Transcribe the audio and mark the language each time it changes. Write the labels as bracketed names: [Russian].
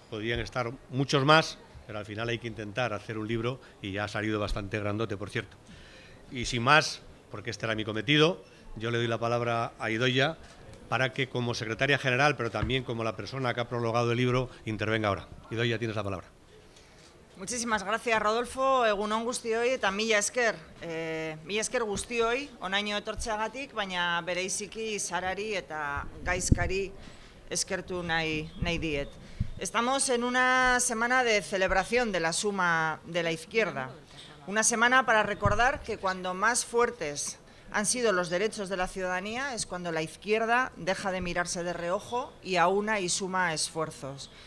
[Spanish] Podrían estar muchos más, pero al final hay que intentar hacer un libro y ya ha salido bastante grandote, por cierto. Y sin más, porque este era mi cometido, yo le doy la palabra a Idoia para que, como secretaria general, pero también como la persona que ha prologado el libro, intervenga ahora. Idoia, tienes la palabra. Muchísimas gracias, Rodolfo. [Basque] Egunon guztioi eta mila esker. Mila esker guztioi, onaino etortzeagatik, baina bereiziki Sarari eta Gaizkari eskertu nahi diet. [Spanish] Estamos en una semana de celebración de la suma de la izquierda. Una semana para recordar que cuando más fuertes han sido los derechos de la ciudadanía es cuando la izquierda deja de mirarse de reojo y aúna y suma esfuerzos.